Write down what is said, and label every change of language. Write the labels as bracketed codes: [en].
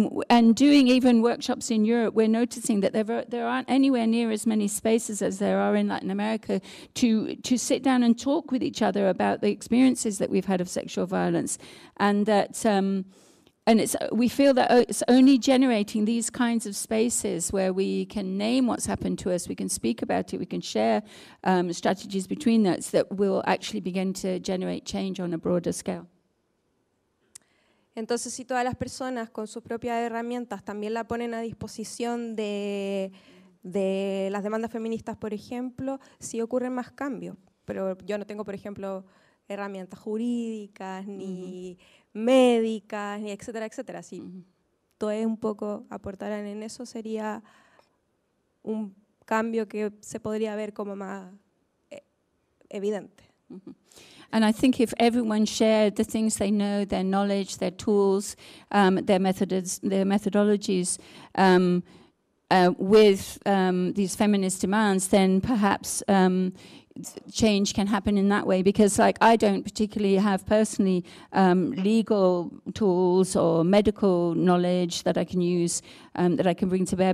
[en] And doing even workshops in Europe, we're noticing that there aren't anywhere near as many spaces as there are in Latin America to sit down and talk with each other about the experiences that we've had of sexual violence, and that we feel that it's only generating these kinds of spaces where we can name what's happened to us, we can speak about it, we can share strategies between us that will actually begin to generate change on a broader scale. [es] Entonces, si todas las personas con sus propias herramientas también la ponen a disposición de las demandas feministas, por ejemplo, sí ocurren más cambios. Pero yo no tengo, por ejemplo, herramientas jurídicas ni médicas, etcétera, etcétera. Sí, todo es un poco aportar en eso, sería un cambio que se podría ver como más evidente. [en] And I think if everyone shared the things they know, their knowledge, their tools, their methodologies with these feminist demands, then perhaps change can happen in that way. Because, like, I don't particularly have personally legal tools or medical knowledge that I can use, that I can bring to bear.